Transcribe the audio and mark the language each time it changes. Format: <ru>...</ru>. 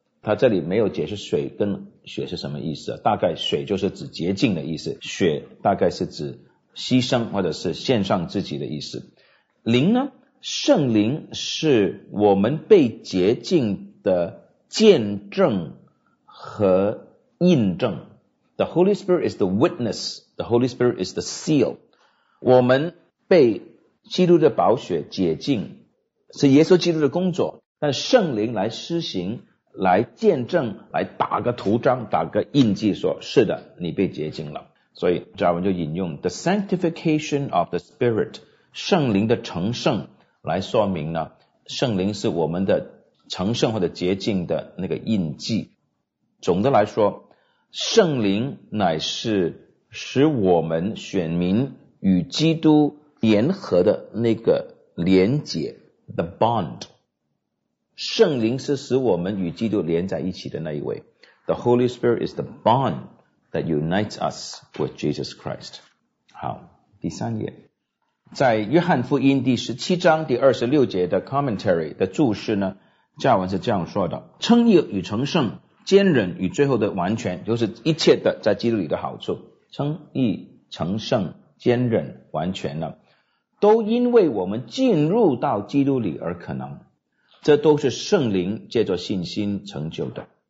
<zh>他这里没有解释水跟血是什么意思，大概水就是指洁净的意思，血大概是指牺牲或者是献上自己的意思。灵呢，圣灵是我们被洁净的见证和印证。</zh> <en>The Holy Spirit is the witness, the Holy Spirit is the seal.</en> <zh>我们被基督的宝血洁净是耶稣基督的工作，但圣灵来施行、来见证、来打个图章、打个印记，说是的，你被洁净了。所以加尔文就引用</zh> <en>The sanctification of the Spirit,</en> <zh>圣灵的成圣，来说明呢，圣灵是我们的成圣或者洁净的那个印记。总的来说，圣灵乃是使我们选民与基督联合的那个连结</zh> <en>The bond。</en> <zh>圣灵是使我们与基督连在一起的那一位。</zh> <en>The Holy Spirit is the bond that unites us with Jesus Christ.</en> <zh>好，第三页。在约翰福音第17:26的 commentary 的注释呢，加尔文是这样说的，称义与成圣，坚忍与最后的完全，就是一切的在基督里的好处，称义、成圣、坚忍、完全呢，都因为我们进入到基督里而可能，这都是圣灵借着信心成就的。</zh>